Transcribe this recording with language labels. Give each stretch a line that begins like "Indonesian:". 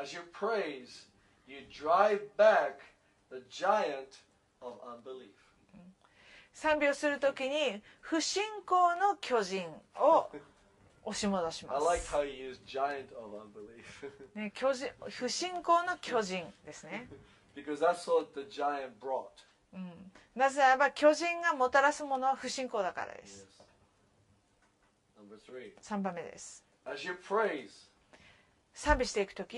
English: As you praise, you drive back the giant of unbelief.
Japanese: 賛美をするときに不信仰の巨人を押し戻します。
English: I like how you use giant of unbelief.
Japanese: ね、巨人、不信仰の巨人ですね。
English: Because that's what the giant brought. うん。
Japanese: なぜならば巨人がもたらすものは不信仰だからです。
English: Yes. Number three.
Japanese: 三番目です。
English: As you praise,
Japanese: 賛美していくとき、